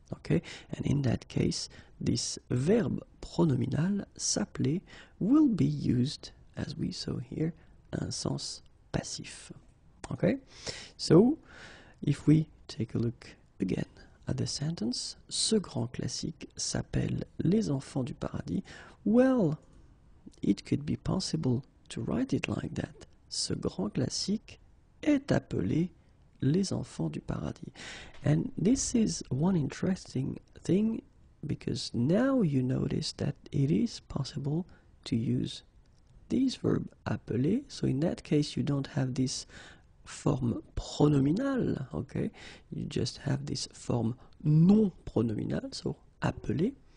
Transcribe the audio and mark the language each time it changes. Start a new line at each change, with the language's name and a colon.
English: Okay, and in that case, this verb pronominal, s'appeler, will be used, as we saw here, in sens passif. Okay, so if we take a look again at the sentence,
French: ce grand classique s'appelle Les Enfants du Paradis.
English: Well, it could be possible to write it like that.
French: Ce grand classique est appelé Les Enfants du Paradis.
English: And this is one interesting thing, because now you notice that it is possible to use this verb appeler. So in that case, you don't have this form pronominal, okay? You just have this form non pronominal, so appeler.